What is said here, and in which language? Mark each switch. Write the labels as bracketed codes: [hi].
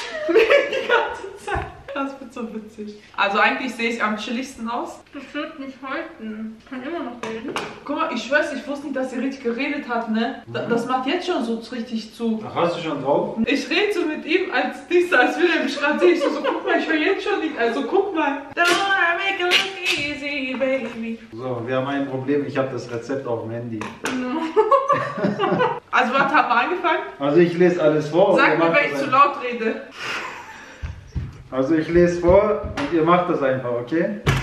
[de] Die ganze Zeit. Das wird so witzig. Also eigentlich sehe ich am chilligsten aus. Das wird nicht halten. Ich kann immer noch reden. Guck mal, ich schwör's, ich wusste nicht, dass sie richtig geredet hat, ne? Das macht jetzt schon so richtig zu. Ach, hast du schon drauf? Ich rede so mit ihm als dieser, als würde er mich gerade sehen. Ich so, guck mal, ich höre jetzt schon nicht. Also guck mal. [en] Don't I make it look easy, baby. [de] So, wir haben ein Problem. Ich habe das Rezept auf dem Handy. Also warte, haben wir angefangen? Also ich lese alles vor. Sag mir, wenn ich zu laut rede. Also ich lese vor und ihr macht das einfach, okay?